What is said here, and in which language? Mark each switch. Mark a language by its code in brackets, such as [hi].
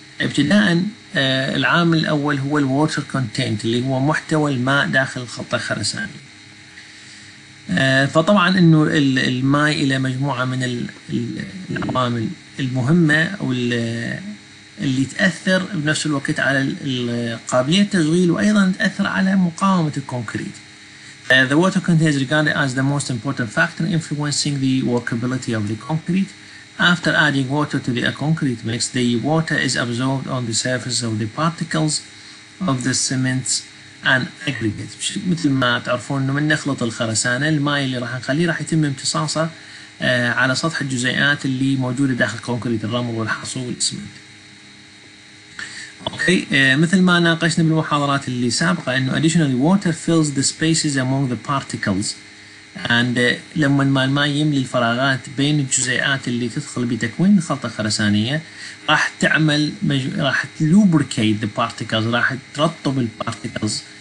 [ar] ابتداءً العامل الأول هو الـ water content اللي هو محتوى الماء داخل الخلطة الخرساني. فطبعاً إنه الماء إلى مجموعة من العوامل المهمة واللي تأثر بنفس الوقت على قابلية التشغيل، وأيضا تأثر على مقاومة الكونكريت. [en] The water content is regarded as the most important factor influencing the workability of the concrete. After adding water to the concrete mix, the water is absorbed on the surface of the particles of the cement and aggregate. [ar] مثل ما تعرفون انه من نخلط الخرسانة الماء اللي راح نخليه راح يتم امتصاصه على سطح الجزيئات اللي موجودة داخل الكونكريت الرمل والحصو والاسمنت. [en] Okay. [ar] مثل ما ناقشنا بالمحاضرات اللي سابقة انه [en] additionally water fills the spaces among the particles and [ar] لما الماء يملي الفراغات بين الجزيئات اللي تدخل بتكوين خلطة خرسانية راح تعمل راح [en] lubricate the particles [ar] راح ترطب الparticles